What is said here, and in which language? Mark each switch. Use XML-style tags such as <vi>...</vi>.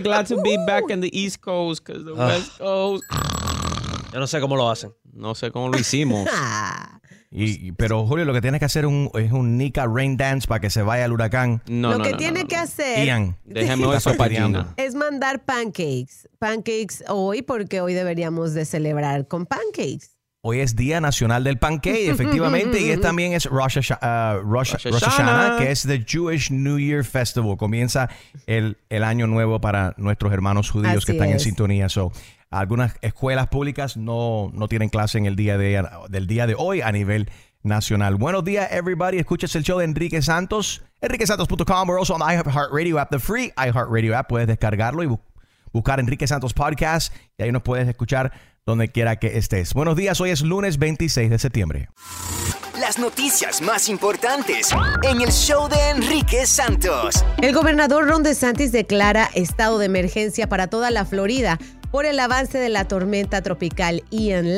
<en>Glad to be back in the East Coast because the West Coast.</en> <es>Yo no sé cómo lo hacen. No sé cómo lo hicimos. Pero Julio, lo que tienes que hacer es un Nika Rain Dance para que se vaya el huracán. Lo que tiene que hacer, Ian, es mandar pancakes. Pancakes hoy, porque hoy deberíamos de celebrar con pancakes. Hoy es Día Nacional del Pancake, efectivamente, y también es Rosh Hashanah, que es</es> <en>the Jewish New Year Festival.</en> <es>Comienza el año nuevo para nuestros hermanos judíos en sintonía. So, algunas escuelas públicas no tienen clase en el día de hoy a nivel nacional. Buenos días,</es> <en>everybody.</en> <es>Escuchas el show de Enrique Santos. EnriqueSantos.com.</es> <en>We're also on the iHeartRadio app, the free iHeartRadio app.</en> <es>Puedes descargarlo y buscar Enrique Santos Podcast y ahí nos puedes escuchar donde quiera que estés. Buenos días, hoy es lunes 26 de septiembre. Las noticias más importantes en el show de Enrique Santos. El gobernador Ron DeSantis declara estado de emergencia para toda la Florida por el avance de la tormenta tropical Ian.</es>